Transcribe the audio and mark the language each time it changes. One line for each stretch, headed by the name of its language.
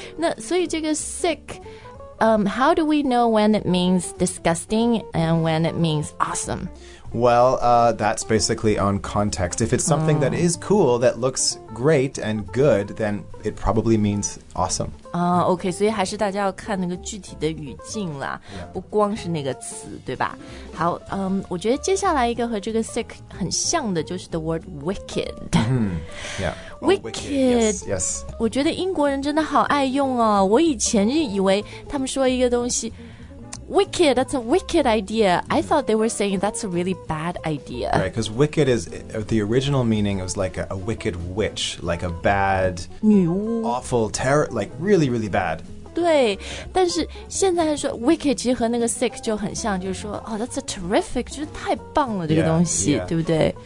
Chinese: 那所以这个
English: sick, how do we know when it means disgusting and when it means awesome? Well, that's basically on context. If it's something that is cool, that looks great and good, then it probably means awesome.
Chinese: Okay, 所以还是大家要看那个具体的语境啦，不光是那个词，对吧？好，我觉得接下来一个和这个 sick 很像的就是
English: the word wicked. Wicked. Yes, yes.
Chinese: 我觉得英国人真的好爱用哦。我以前就以为他们说一个东西Wicked,
English: that's a wicked idea. I thought they were saying that's a really bad idea. Right, because wicked is, the original meaning was like a wicked witch, like a bad,
Chinese: 女巫
English: awful, terror, like really, really bad.
Chinese: 对，但是现在说 wicked 其实和那个 sick 就很像，就是说
English: oh, that's a terrific,
Chinese: 就是太棒了这个东西，对不对？